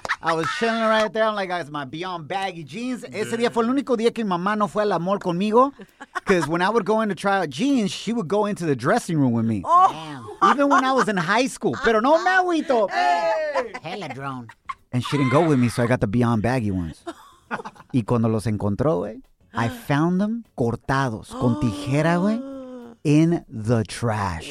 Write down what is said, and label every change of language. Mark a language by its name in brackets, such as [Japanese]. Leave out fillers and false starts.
[English] I was chilling right there. I'm like, it's my Beyond Baggy jeans. Yeah. [Spanish] Ese día fue el único día que mi mamá no fue a la mall conmigo. [English] Because when I would go in to try out jeans, she would go into the dressing room with me. Oh. Even when I was in high school. Pero no, Mauito. Hella drone. And she didn't go with me, so I got the Beyond Baggy ones. [Spanish] Y cuando los encontró, güey, I found them cortados con tijera, güey, in the trash.